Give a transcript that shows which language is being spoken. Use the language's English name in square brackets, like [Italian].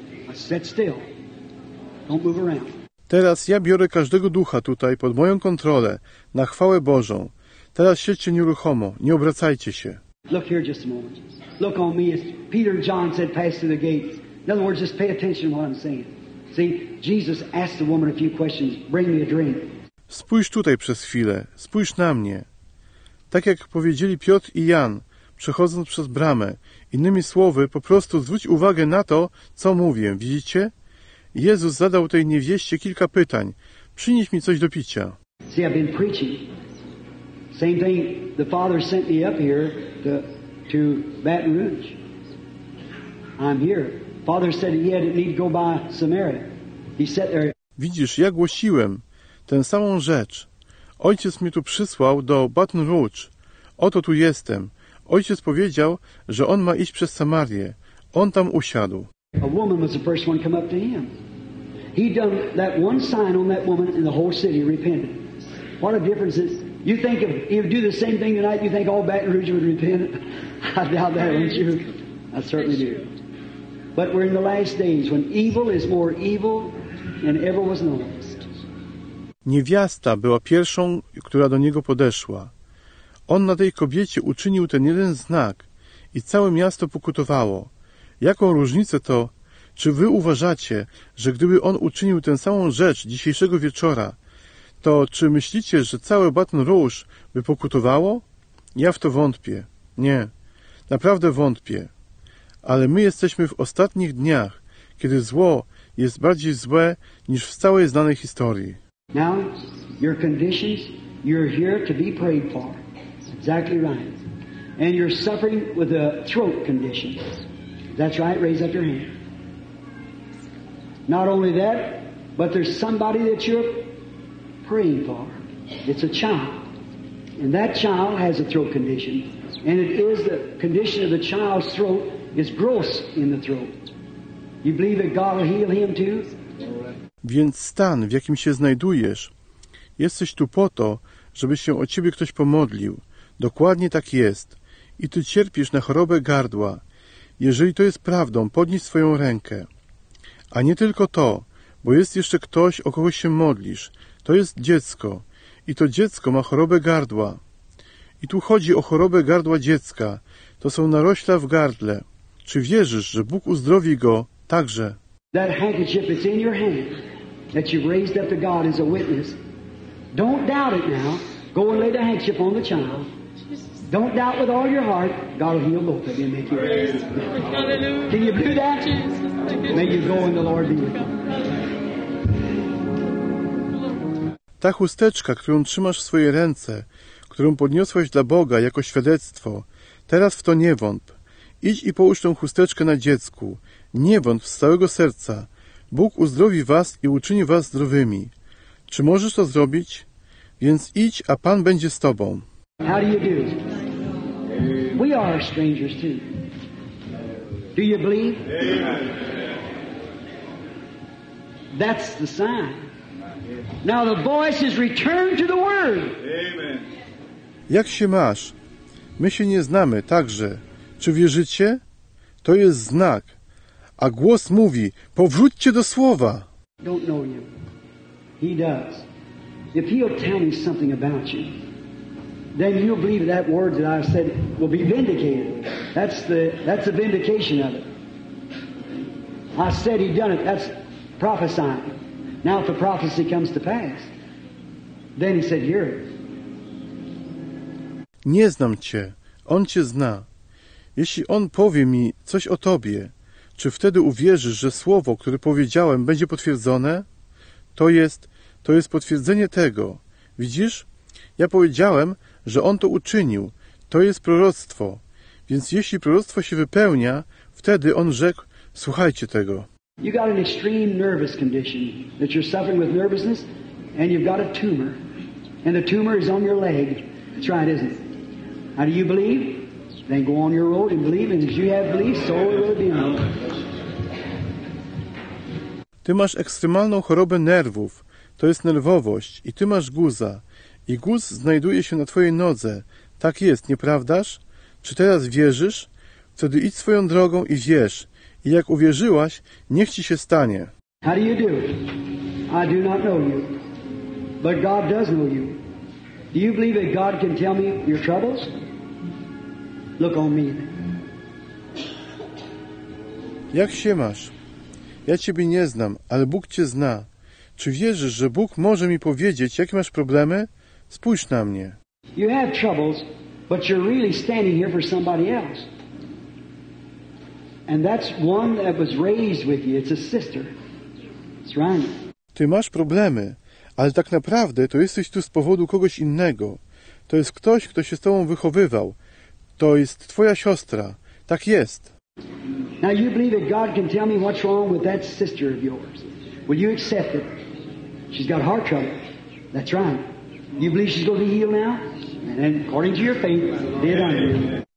[English] I sit still. Don't move around. [Polish] Teraz ja biorę każdego ducha tutaj pod moją kontrolę, na chwałę Bożą. Teraz siedźcie nieruchomo, nie obracajcie się. [English] Look here just a moment. Look on me as Peter and John said, pass through the gates. In other words, just pay attention to what I'm saying. See, Jesus asked the woman a few questions. Bring me a drink. [Polish] Spójrz tutaj przez chwilę. Spójrz na mnie. Tak jak powiedzieli Piotr i Jan, przechodząc przez bramę. Innymi słowy, po prostu zwróć uwagę na to, co mówię. Widzicie? Jezus zadał tej niewieście kilka pytań. Przynieś mi coś do picia. [English] See, I've been preaching. Same thing. The Father sent me up here to Baton Rouge. I'm here. Father said he had need to go by Samaria. He sat there. [Polish] Widzisz, ja głosiłem tę samą rzecz. Ojciec mnie tu przysłał do Baton Rouge. Oto tu jestem. Ojciec powiedział, że on ma iść przez Samarię. On tam usiadł. [English] A woman was the first one come up to him. He done that one sign on that woman and the whole city repented. What a difference is. You think if you do the same thing tonight, you think all Baton Rouge would repent? I doubt that, don't you? I certainly do. But we're in the last days when evil is more evil than ever was known. [Polish] Niewiasta była pierwszą, która do niego podeszła. On na tej kobiecie uczynił ten jeden znak i całe miasto pokutowało. Jaką różnicę to, czy wy uważacie, że gdyby on uczynił tę samą rzecz dzisiejszego wieczora, to czy myślicie, że całe Baton Rouge by pokutowało? Ja w to wątpię. Nie. Naprawdę wątpię. Ale my jesteśmy w ostatnich dniach, kiedy zło jest bardziej złe niż w całej znanej historii. [English] Now, your conditions You're here to be prayed for. Exactly right. And you're suffering with a throat condition. That's right. Raise up your hand. Not only that, but there's somebody that you're praying for. It's a child. And that child has a throat condition. And it is the condition of the child's throat is gross in the throat. You believe that God will heal him too? [Polish] Więc stan, w jakim się znajdujesz, jesteś tu po to, żeby się o ciebie ktoś pomodlił. Dokładnie tak jest. I ty cierpisz na chorobę gardła. Jeżeli to jest prawdą, podnieś swoją rękę. A nie tylko to, bo jest jeszcze ktoś, o kogo się modlisz. To jest dziecko. I to dziecko ma chorobę gardła. I tu chodzi o chorobę gardła dziecka. To są narośla w gardle. Czy wierzysz, że Bóg uzdrowi go także? [English] That handkerchief is in your hand that you've raised up to God as a witness. Don't doubt it now. Go and lay the handkerchief on the child. Don't doubt with all your heart. God will heal both of you and make you right. Can you do that? May you go and the Lord be with you. [Polish] Ta chusteczka, którą trzymasz w swojej ręce, którą podniosłeś dla Boga jako świadectwo, teraz w to nie wątp. Idź i połóż tą chusteczkę na dziecku. Nie wątp z całego serca. Bóg uzdrowi was i uczyni was zdrowymi. Czy możesz to zrobić? Więc idź, a Pan będzie z tobą. [English] How do you do? We are strangers too. Do you believe? That's the sign. Now the voice is returned to the word. Amen. [Polish] Jak się masz? My się nie znamy, także. Czy wierzycie? To jest znak. A głos mówi, powróćcie do słowa. [English] Don't know you. He does. If he'll tell me something about you, then you'll believe that word that I said will be vindicated. That's the vindication of it. I said he done it. That's prophesying. Now if the prophecy comes to pass, then he said, hear it. [Polish] Nie znam cię. On cię zna. Jeśli on powie mi coś o tobie, czy wtedy uwierzysz, że słowo, które powiedziałem, będzie potwierdzone? To jest potwierdzenie tego. Widzisz? Ja powiedziałem, że on to uczynił. To jest proroctwo. Więc jeśli proroctwo się wypełnia, wtedy on rzekł, słuchajcie tego. [English] You got an extreme nervous condition that you're suffering with nervousness, and you've got a tumor, and the tumor is on your leg. That's right, isn't it? How do you believe? Then go on your road and believe, and if you have belief, so it will be. [Polish] Ty masz ekstremalną chorobę nerwów. To jest nerwowość. I ty masz guza. I guz znajduje się na twojej nodze. Tak jest, nieprawdaż? Czy teraz wierzysz? Wtedy idź swoją drogą i wierz. I jak uwierzyłaś, niech ci się stanie. [English] How do you do? I do not know you. But God does know you. Do you believe that God can tell me your troubles? Look on me. [Polish] Jak się masz? Ja ciebie nie znam, ale Bóg cię zna. Czy wierzysz, że Bóg może mi powiedzieć, jakie masz problemy? Spójrz na mnie. [English] You have troubles, but you're really standing here for somebody else. And that's one that was raised with you. It's a sister. It's right. [Polish] Ty masz problemy, ale tak naprawdę to jesteś tu z powodu kogoś innego. To jest ktoś, kto się z tobą wychowywał. To jest twoja siostra. Tak jest. [English] Now you believe that God can tell me what's wrong with that sister of yours. Will you accept it? She's got heart trouble. That's right. You believe she's going to be healed now? And according to your faith, did I?